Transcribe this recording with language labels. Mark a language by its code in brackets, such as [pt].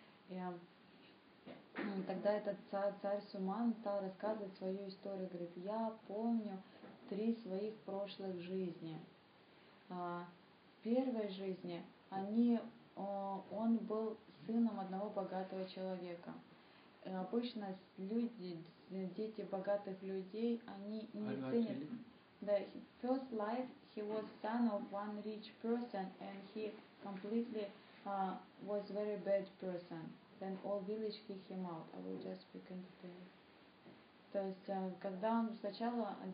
[ru] И тогда этот царь Суман стал рассказывать свою историю, говорит, я помню три своих прошлых жизни. В первой жизни он был сыном одного богатого человека. Обычно люди, дети богатых людей, они не ценят. [en] The first life he was son of one rich person and he completely was very bad person. Then all village kicked him out. I will just speak in detail. [ru] То есть когда он сначала.